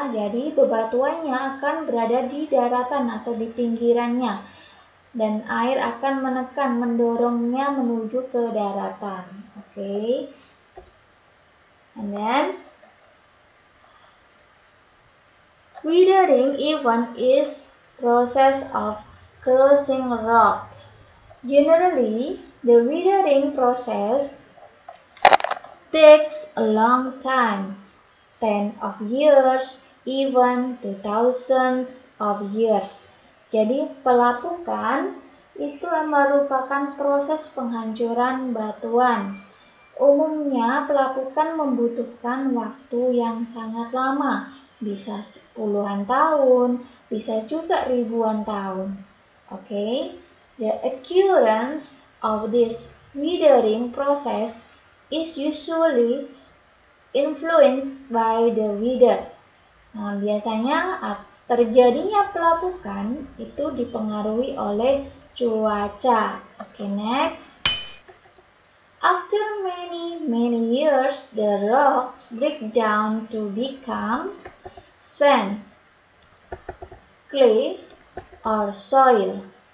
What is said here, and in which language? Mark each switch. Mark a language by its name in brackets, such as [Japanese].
[Indonesian] Jadi bebatuannya akan berada di daratan atau di pinggirannya, dan air akan menekan, mendorongnya menuju ke daratan. [English] Okay. And then, withering event is process of crushing rocks. Generally, the withering process takes a long time, 10 of years, even to thousands of years. [Indonesian] Jadi, pelapukan itu merupakan proses penghancuran batuan. Umumnya pelapukan membutuhkan waktu yang sangat lama, bisa puluhan tahun, bisa juga ribuan tahun. [English] Okay, the occurrence of this withering process is usually influenced by the weather. [Indonesian] Nah, biasanya terjadinya pelapukan itu dipengaruhi oleh cuaca. [English] Okay, next. After many, many years, the rocks break down to become sand, clay, or soil.